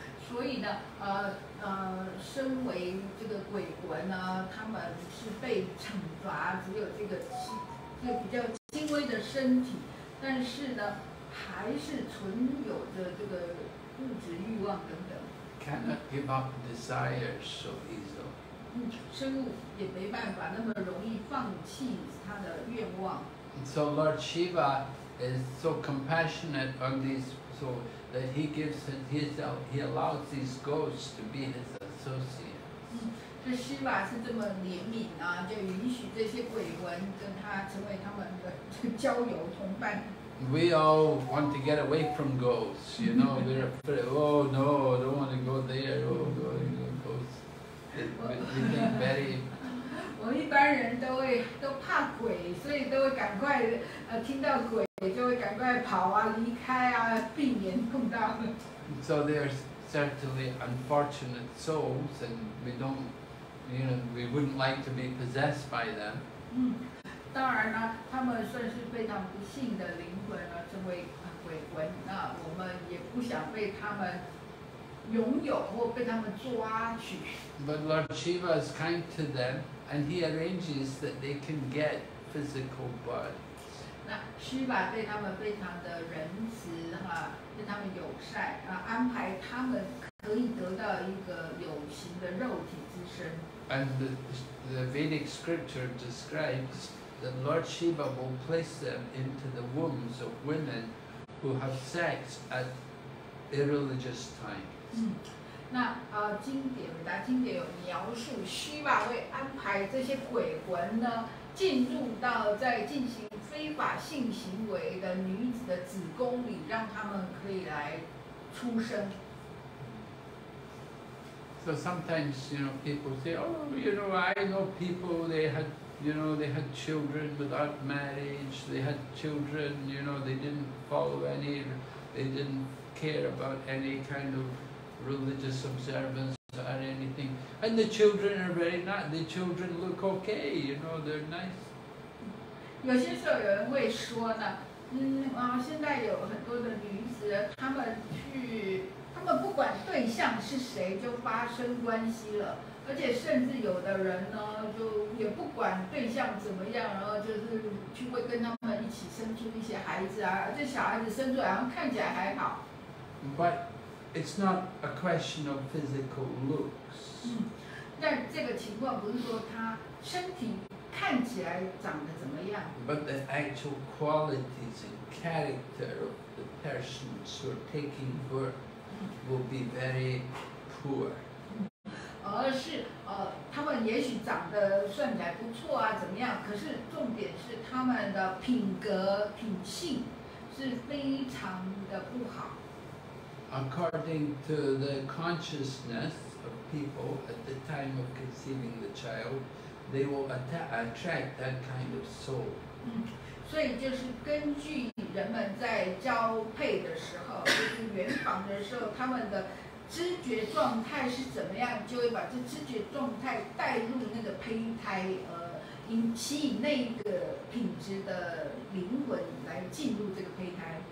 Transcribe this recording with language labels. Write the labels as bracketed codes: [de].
[zh] 所以呢，身为这个鬼魂呢，他们是被惩罚，只有这个比较轻微的身体，但是呢，还是存有着这个物质欲望等等。 [en] Cannot give up desire so easily. [zh] 生物也没办法那么容易放弃他的愿望。 [en] So Lord Shiva is so compassionate on these, so that he gives his, he allows these ghosts to be his associates. [zh] 这希瓦是这么怜悯啊，就允许这些鬼魂跟他成为他们的交友同伴。 [en] We all want to get away from ghosts, you know. We're afraid. Oh no, I don't want to go there. Oh God, you know, ghosts. We think very. [zh] 我们一般人都怕鬼，所以都会赶快听到鬼就会赶快跑啊，离开啊，避免碰到。 [en] So they're certainly unfortunate souls, and we don't, you know, we wouldn't like to be possessed by them. [zh] 当然呢，他们算是非常不幸的灵魂了，成为鬼魂。那我们也不想被他们拥有或被他们抓去。 [en] But Lord Shiva is kind to them, and he arranges that they can get physical bodies. [zh] 那 Shiva 对他们非常的仁慈哈，对他们友善啊，安排他们可以得到一个有形的肉体之身。 [en] And the Vedic scripture describes. That Lord Shiva will place them into the wombs of women who have sex at irreligious times. [zh] 那经典伟达经典有描述，希瓦会安排这些鬼魂呢进入到在进行非法性行为的女子的子宫里，让他们可以来出生。 [en] So sometimes you know people say, oh, you know, I know people they had. You know, they had children without marriage, they had children, you know, they didn't follow any, they didn't care about any kind of religious observance or anything. And the children are very nice, the children look okay, you know, they're nice. [zh] 有些时候有人会说呢，现在有很多的女子，她们不管对象是谁就发生关系了。而且甚至有的人呢，就也不管对象怎么样，然后就是去会跟他们一起生出一些孩子啊，这小孩子生出来然后看起来还好。 [en] But it's not a question of physical looks. [zh] 但这个情况不是说他身体看起来长得怎么样。 [en] But the actual qualities and character of the persons who are taking birth will be very poor. [zh] 而是他们也许长得算起来不错啊，怎么样？可是重点是他们的品格品性是非常的不好。 [en] According to the consciousness of people at the time of conceiving the child, they will attract that kind of soul. [zh] 所以就是根据人们在交配的时候，就是圆房的时候，他们的。知觉状态是怎么样，就会把这知觉状态带入那个胚胎，吸引那个品质的灵魂来进入这个胚胎。